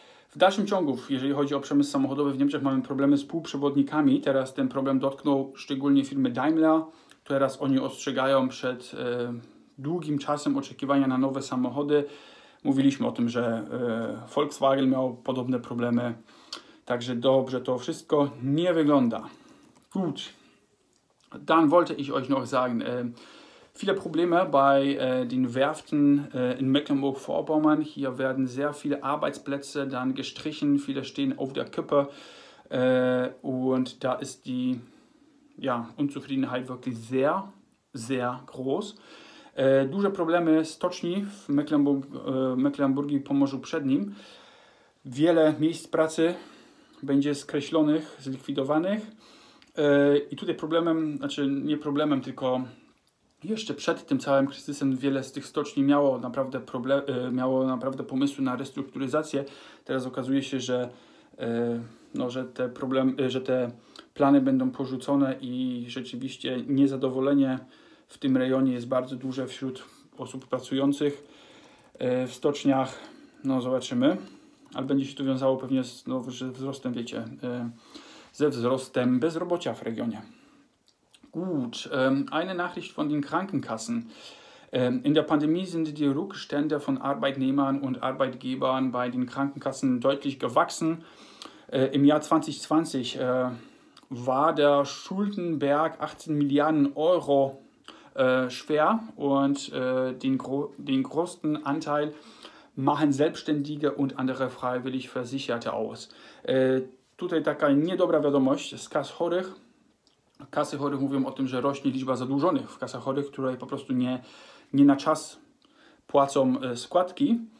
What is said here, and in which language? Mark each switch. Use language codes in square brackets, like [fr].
[pl] W dalszym ciągu, jeżeli chodzi o przemysł samochodowy w Niemczech, mamy problemy z półprzewodnikami. Teraz ten problem dotknął szczególnie firmy Daimler. Teraz oni ostrzegają przed długim czasem oczekiwania na nowe samochody. Mówiliśmy o tym, że Volkswagen miał podobne problemy. Także dobrze to wszystko nie wygląda. [de] Gut. Dann wollte ich euch noch sagen. Viele Probleme bei den Werften in Mecklenburg-Vorpommern. Hier werden sehr viele Arbeitsplätze dann gestrichen. Viele stehen auf der Kippe. Und da ist die ja, Unzufriedenheit wirklich sehr, sehr groß. [pl] Duże problemy stoczni w Mecklenburg i Pomorzu Przednim. Wiele miejsc pracy będzie skreślonych, zlikwidowanych. I tutaj problemem, znaczy nie problemem, tylko jeszcze przed tym całym kryzysem wiele z tych stoczni miało naprawdę pomysły na restrukturyzację. Teraz okazuje się, że, no, że te problemy, że te plany będą porzucone i rzeczywiście niezadowolenie w tym rejonie jest bardzo duże wśród osób pracujących w stoczniach. No zobaczymy, ale będzie się to wiązało pewnie z, no, ze wzrostem, wiecie, ze wzrostem bezrobocia w regionie. [de] Gut, eine Nachricht von den Krankenkassen. In der Pandemie sind die Rückstände von Arbeitnehmern und Arbeitgebern bei den Krankenkassen deutlich gewachsen. Im Jahr 2020 war der Schuldenberg 18 Milliarden Euro schwer und den größten Anteil machen Selbstständige und andere freiwillig Versicherte aus. [pl] Tutaj taka niedobra wiadomość z kas chorych. Kasy chorych mówią o tym, że rośnie liczba zadłużonych w kasach chorych, które po prostu nie na czas płacą składki.